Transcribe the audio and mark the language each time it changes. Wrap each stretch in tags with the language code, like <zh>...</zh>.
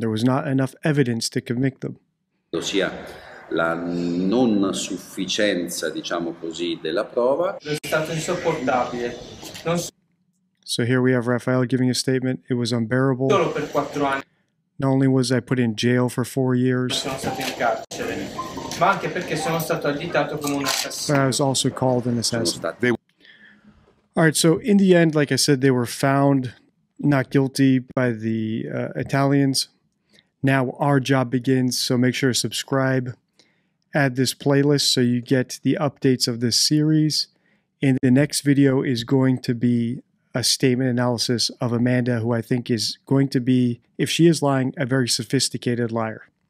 <en>There was not enough evidence to convict them.</en> <it>La non sufficienza, diciamo così, della prova. È stato insopportabile.</it> <en>So here we have Raphael giving a statement. It was unbearable.</en> <it>Solo per 4 anni.</it> <en>Not only was I put in jail for 4 years.</en> <it>Sono stato in carcere, ma anche perché sono stato additato come un assassino.</it> <en>But I was also called an assassin. All right. So in the end, like I said, they were found not guilty by the Italians. Now our job begins. So make sure to subscribe. Add this playlist so you get the updates of this series. And the next video is going to be a statement analysis of Amanda, who I think is going to be, if she is lying, a very sophisticated liar.</en>